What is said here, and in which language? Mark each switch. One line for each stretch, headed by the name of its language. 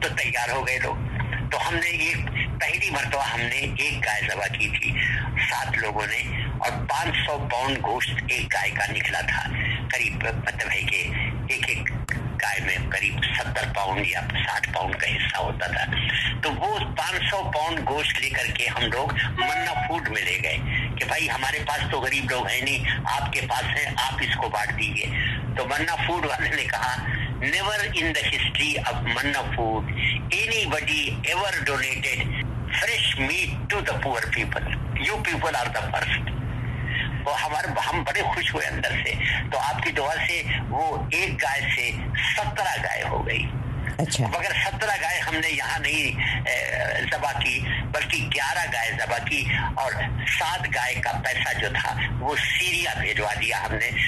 Hindi: तो तैयार हो गए लोग, तो हमने एक पहली मरतबा हमने एक गाय जबा की थी 7 लोगों ने और 500 पाउंड गोश्त एक गाय का निकला था, करीब मतलब है कि एक एक गाय में करीब 70 पाउंड या 60 पाउंड का हिस्सा होता था। तो वो 500 पाउंड गोश्त लेकर के हम लोग मन्ना फूड में ले गए कि भाई हमारे पास तो गरीब लोग हैं नहीं, आपके पास है, आप इसको बांट दीजिए। तो मन्ना फूड वाले ने कहा
English: Never in the history of Manna Food anybody ever donated fresh meat to the poor people. You people are the first.
Hindi: वो हम बड़े खुश हुए अंदर से, तो आपकी दुआ से वो एक गाय से 17 गाय हो गई। अच्छा। मगर 17 गाय हमने यहाँ नहीं जबा की बल्कि 11 गाय जबा की और 7 गाय का पैसा जो था वो सीरिया भेजवा दिया हमने।